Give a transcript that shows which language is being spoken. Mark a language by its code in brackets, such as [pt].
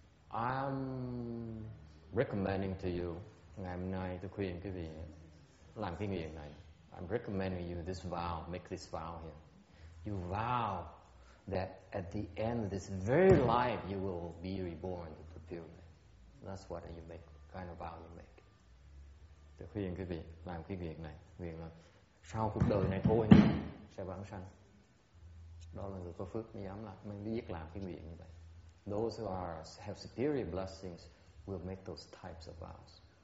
[en] I'm recommending to you, [vi] ngày hôm nay tôi khuyên quý vị làm cái nguyện này. [en] I'm recommending you this vow, make this vow here. You vow that at the end of this very life, you will be reborn to the pure. That's what you make, kind of vow you make. [vi] Tôi khuyên quý vị làm cái việc này, nguyện là sau cuộc đời này thôi nhé, sẽ vãng sanh. Đó là người có phước mới dám làm, mới biết làm cái nguyện như vậy. [en] Those who have superior blessings will make those types of vows.